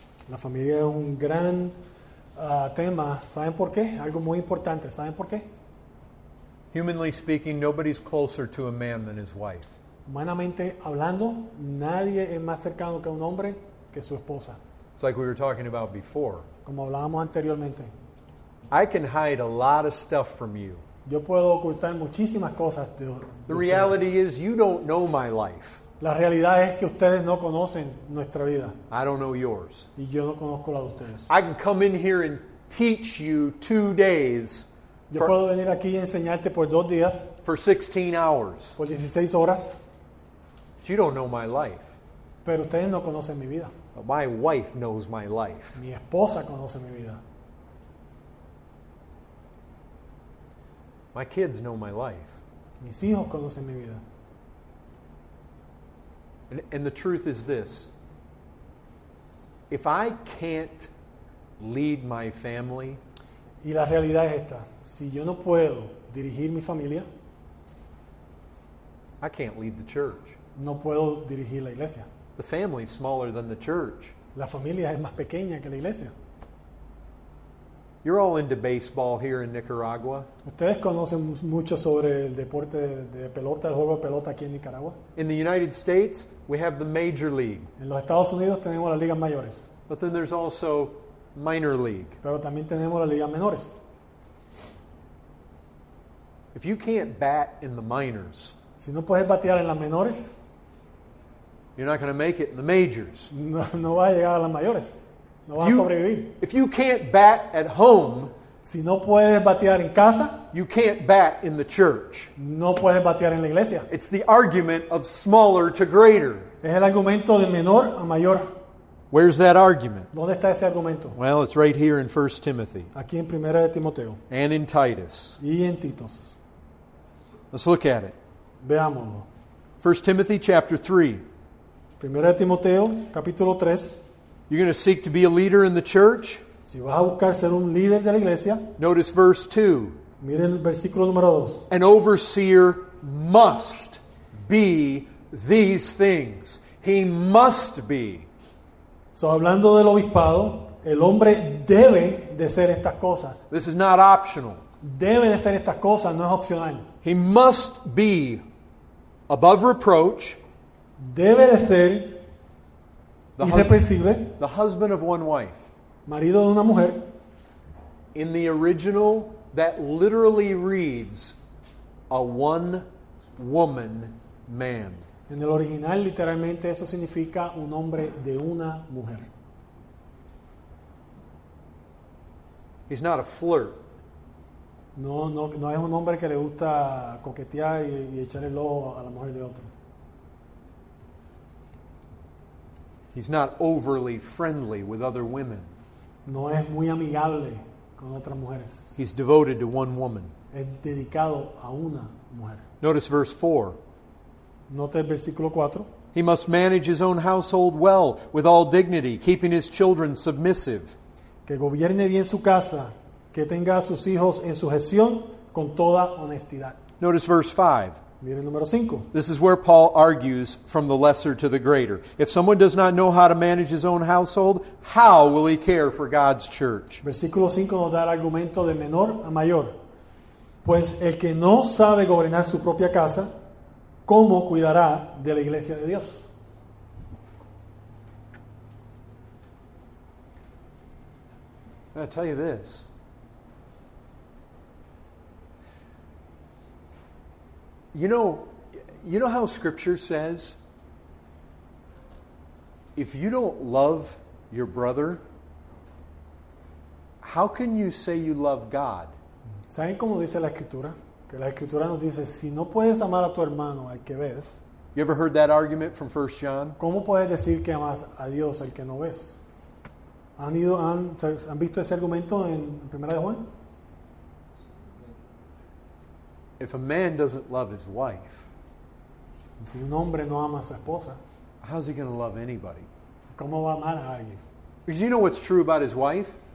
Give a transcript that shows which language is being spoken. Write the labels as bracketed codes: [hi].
[es] La familia es un gran tema. ¿Saben por qué? Algo muy importante. ¿Saben por qué? [en] Humanly speaking, nobody's closer to a man than his wife. [es] Humanamente hablando, nadie es más cercano que un hombre que su esposa. [en] It's like we were talking about before. [es] Como hablábamos anteriormente. [en] I can hide a lot of stuff from you. [es] Yo puedo ocultar muchísimas cosas de ustedes. [en] The reality is you don't know my life. [es] La realidad es que ustedes no conocen nuestra vida. [en] I don't know yours. [es] Y yo no conozco la de ustedes. [en] I can come in here and teach you 2 days. [es] Yo puedo venir aquí y enseñarte por 2 días. [en] For 16 hours. [es] Por 16 horas. [en] But you don't know my life. [es] Pero ustedes no conocen mi vida. [en] But my wife knows my life. [es] Mi esposa conoce mi vida. [en] My kids know my life. [es] Mis hijos conocen mi vida. [en] And the truth is this. If I can't lead my family. [es] Y la realidad es esta. Si yo no puedo dirigir mi familia. [en] I can't lead the church. [es] No puedo dirigir la iglesia. [en] The family is smaller than the church. [es] La familia es más pequeña que la iglesia. [en] You're all into baseball here in Nicaragua. [es] ¿Ustedes conocen mucho sobre el deporte de pelota, el juego de pelota aquí en Nicaragua? [en] In the United States, we have the Major League. [es] En los Estados Unidos tenemos las ligas mayores. [en] But then there's also Minor League. [es] Pero también tenemos las ligas menores. [en] If you can't bat in the minors, [es] si no puedes batear en las menores, [en] you're not going to make it in the majors. [es] No va a llegar a las mayores. No va a sobrevivir. [en] If you can't bat at home, [es] si no puedes batear en casa, [en] you can't bat in the church. [es] No puedes batear en la iglesia. [en] It's the argument of smaller to greater. [es] Es el argumento de menor a mayor. [en] Where's that argument? [es] ¿Dónde está ese argumento? [en] Well, it's right here in 1 Timothy. [es] Aquí en Primera de Timoteo. [en] And in Titus. [es] Y en Titos. [en] Let's look at it. [es] Veámoslo. [en] 1 Timothy chapter 3. [es] Primera de Timoteo, capítulo 3. [en] You're going to seek to be a leader in the church. [es] Si vas a buscar ser un líder de la iglesia. [en] Notice verse 2. [es] Miren el versículo número 2. [en] An overseer must be these things. He must be. [es] So, hablando del obispado, el hombre debe de ser estas cosas. [en] This is not optional. [es] Debe de ser estas cosas, no es opcional. [en] He must be above reproach. [es] Debe de ser irreprensible. [en] The husband of one wife. [es] Marido de una mujer. [en] In the original, that literally reads a one woman man. [es] En el original, literalmente, eso significa un hombre de una mujer. [en] He's not a flirt. [es] No es un hombre que le gusta coquetear y echar el ojo a la mujer de otro. [en] He's not overly friendly with other women. [es] No es muy amigable con otras mujeres. [en] He's devoted to one woman. [es] Es dedicado a una mujer. [en] Notice verse 4. [es] Note el versículo 4. [en] He must manage his own household well, with all dignity, keeping his children submissive. [es] Que gobierne bien su casa, que tenga a sus hijos en sujeción, con toda honestidad. [en] Notice verse 5. [es] Mire el número 5. [en] This is where Paul argues from the lesser to the greater. If someone does not know how to manage his own household, how will he care for God's church? [es] Versículo 5 nos da el argumento de menor a mayor. Pues el que no sabe gobernar su propia casa, ¿cómo cuidará de la iglesia de Dios? [en] I'll tell you this. You know how Scripture says, if you don't love your brother, how can you say you love God? [es] ¿Saben cómo dice la Escritura? Que la Escritura nos dice, si no puedes amar a tu hermano, al que ves. [en] You ever heard that argument from 1 John? [es] ¿Cómo puedes decir que amas a Dios, al que no ves? ¿Han visto ese argumento en Primera de Juan? [en] If a man doesn't love his wife, [es] si un hombre no ama a su esposa, [en] how's he going to love anybody? [es] ¿Cómo va a amar a alguien? [en] Because you know what's true about his wife?